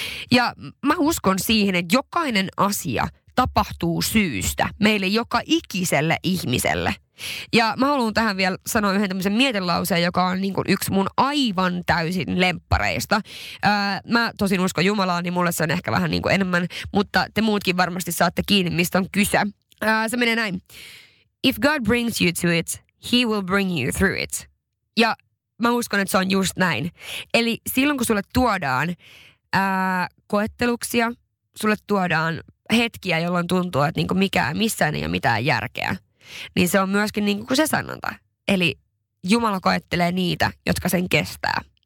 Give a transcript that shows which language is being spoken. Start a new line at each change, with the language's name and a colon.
Finnish: Ja mä uskon siihen, että jokainen asia tapahtuu syystä meille joka ikiselle ihmiselle. Ja mä haluan tähän vielä sanoa yhden tämmöisen mietelauseen, joka on niin kuin yksi mun aivan täysin lemppareista. Mä tosin uskon Jumalaa, niin mulle se on ehkä vähän niin kuin enemmän, mutta te muutkin varmasti saatte kiinni, mistä on kyse. Se menee näin.
English: If God brings you to it, he will bring you through it.
Finnish: Ja mä uskon, että se on just näin. Eli silloin, kun sulle tuodaan koetteluksia, sulle tuodaan hetkiä, jolloin tuntuu, että niin kuin mikään, missään ei ole mitään järkeä. Niin se on myöskin niin kuin se sanonta. Eli Jumala koettelee niitä, jotka sen kestää.